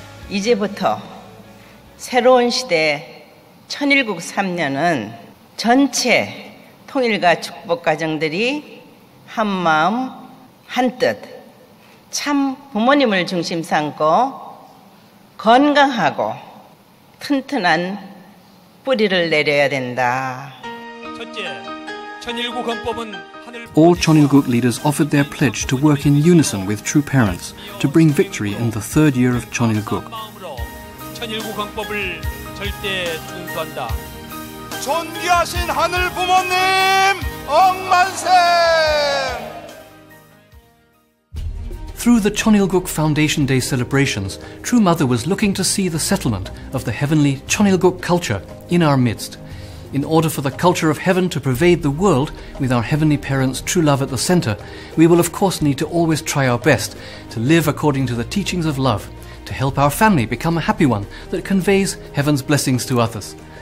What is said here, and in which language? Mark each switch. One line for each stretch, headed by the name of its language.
Korean: 이제부터 새로운 시대 천일국 3년은 전체 통일과 축복 가정들이 한 마음 한 뜻 참 부모님을 중심 삼고 건강하고 튼튼한 뿌리를 내려야 된다. 첫째, 천일국 헌법은
English: All Chonilguk leaders offered their pledge to work in unison with True Parents to bring victory in the third year of Chonilguk.
Korean: 천일국 헌법을 절대 준수한다. 존귀하신 하늘 부모님, 억만세!
English: Through the Chonilguk Foundation Day celebrations, True Mother was looking to see the settlement of the heavenly Chonilguk culture in our midst. In order for the culture of heaven to pervade the world, with our heavenly parents' true love at the center, we will of course need to always try our best to live according to the teachings of love, to help our family become a happy one that conveys heaven's blessings to others.